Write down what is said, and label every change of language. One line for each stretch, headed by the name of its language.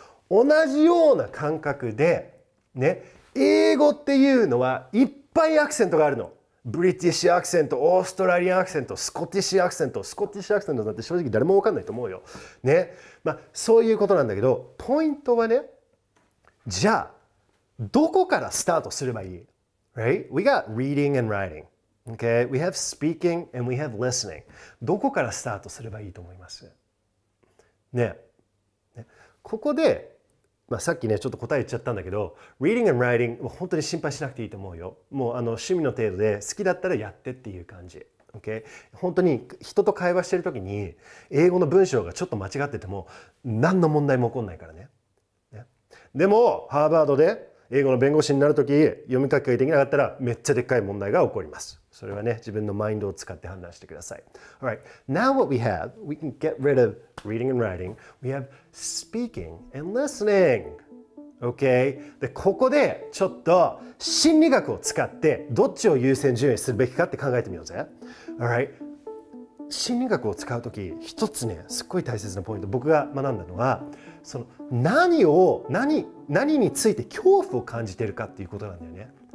Japanese: 同じような感覚でね、英語っていうのはいっぱいアクセントがあるの。ブリティッシュアクセント、オーストラリアンアクセント、スコティッシュアクセント。スコティッシュアクセントなんて正直誰も分かんないと思うよ、ね。まあ、そういうことなんだけど、ポイントはね、じゃあどこからスタートすればいい、
English: right? We got reading and writingOkay, we have speaking and we have listening.
Japanese: どこからスタートすればいいと思います？ね、 ね、ここで、まあ、さっきねちょっと答え言っちゃったんだけど、 reading and writing は本当に心配しなくていいと思うよ。もうあの趣味の程度で好きだったらやってっていう感じ。Okay, 本当に人と会話してる時に英語の文章がちょっと間違ってても何の問題も起こんないから ね、 ね。でもハーバードで英語の弁護士になるとき、読み書きができなかったらめっちゃでっかい問題が起こります。それはね、自分のマインドを使って判断してください。
English: Alright, now what we have, we can get rid of reading and writing. We have speaking and listening.
Japanese: Okay, でここでちょっと心理学を使ってどっちを優先順位するべきかって考えてみようぜ。 Alright, 心理学を使うとき、一つね、すっごい大切なポイント、僕が学んだのは、その何について恐怖を感じているかっていうことなんだよね。